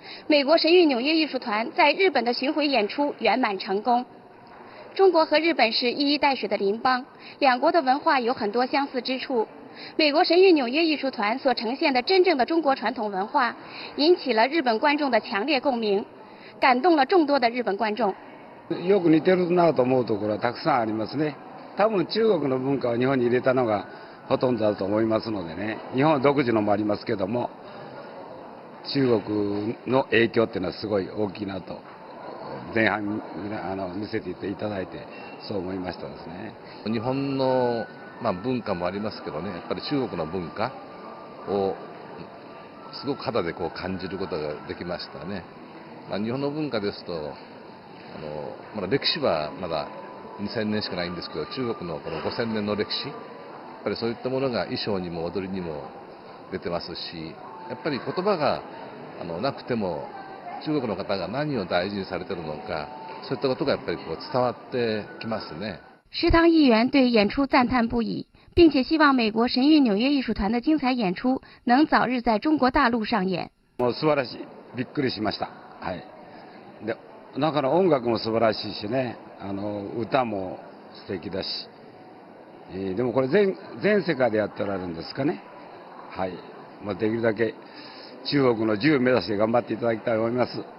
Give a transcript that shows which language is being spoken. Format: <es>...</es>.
<zh>美国神韵纽约艺术团在日本的巡回演出圆满成功。中国和日本是一衣带水的邻邦，两国的文化有很多相似之处。美国神韵纽约艺术团所呈现的真正的中国传统文化，引起了日本观众的强烈共鸣，感动了众多的日本观众。</zh> <ja>よく似てるなと思うところはたくさんありますね。多分中国の文化を日本に入れたのがほとんどだと思いますのでね。日本独自のもありますけども、中国の影響っていうのはすごい大きいなと前半見せていただいてそう思いましたですね。日本の文化もありますけどね。やっぱり中国の文化をすごく肌でこう感じることができましたね。日本の文化ですと、まだ歴史はまだ2000年しかないんですけど、中国のこの5000年の歴史、やっぱりそういったものが衣装にも踊りにも出てますし、やっぱり言葉がなくても、中国の方が何を大事にされているのか、そういったことがやっぱりこう伝わってきますね。</ja> <zh>食堂议员对演出赞叹不已、并且希望美国神韵纽约艺术团的精彩演出能早日在中国大陆上演。</zh> <ja>もう素晴らしい。びっくりしました。はい、でだから音楽も素晴らしいしね、あの歌も素敵だし、でもこれ 全世界でやってられるんですかね。はい、まあ、できるだけ中国の10目指して頑張っていただきたいと思います。</ja>